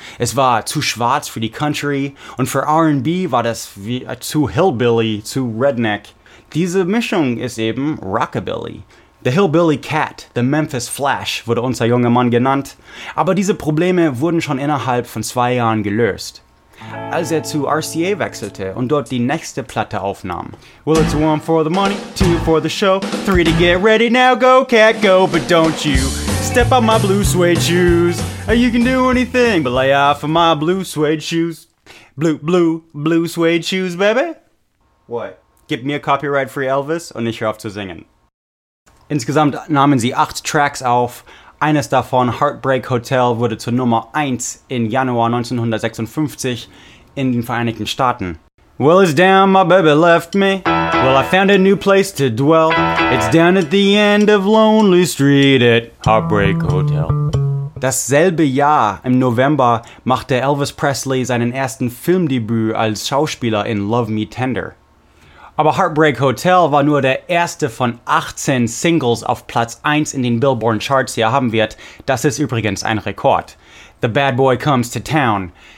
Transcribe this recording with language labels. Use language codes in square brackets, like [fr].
[de] Es war zu schwarz für die Country und für R&B war das wie zu Hillbilly, zu Redneck. Diese Mischung ist eben Rockabilly. The Hillbilly Cat, the Memphis Flash, wurde unser junger Mann genannt. Aber diese Probleme wurden schon innerhalb von 2 Jahren gelöst. Als er zu RCA wechselte und dort die nächste Platte aufnahm. [en] Well, it's 1 for the money, 2 for the show, 3 to get ready now, go cat go, but don't you step on my blue suede shoes. You can do anything, but lay off of my blue suede shoes. Blue suede shoes, baby. What? [de] Gib mir copyright free Elvis und ich hör auf zu singen. Insgesamt nahmen sie 8 Tracks auf. Eines davon, Heartbreak Hotel, wurde zur Nummer 1 in Januar 1956 in den Vereinigten Staaten. [en] Well, it's down, my baby left me. Well, I found a new place to dwell. It's down at the end of Lonely Street at Heartbreak Hotel. [de] Dasselbe Jahr, im November, machte Elvis Presley seinen ersten Filmdebüt als Schauspieler in Love Me Tender. Aber Heartbreak Hotel war nur der erste von 18 Singles auf Platz 1 in den Billboard Charts, die er haben wird. Das ist übrigens ein Rekord. The Bad Boy Comes to Town.